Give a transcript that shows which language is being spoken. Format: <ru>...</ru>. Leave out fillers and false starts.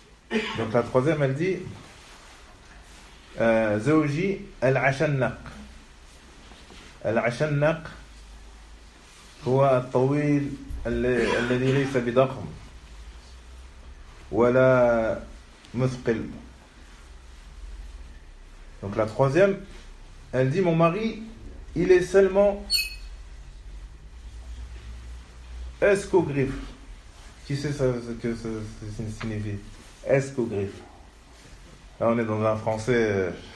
<fr>Donc la troisième elle dit</fr> <ar>زوجي العشنق العشنق هو الطويل الذي ليس بضخم ولا مثقل.</ar> <fr>Donc la troisième, elle dit: mon mari, il est seulement escogriffe. Qui sait ce que ça signifie? Escogriffe. Là, on est dans un français.</fr>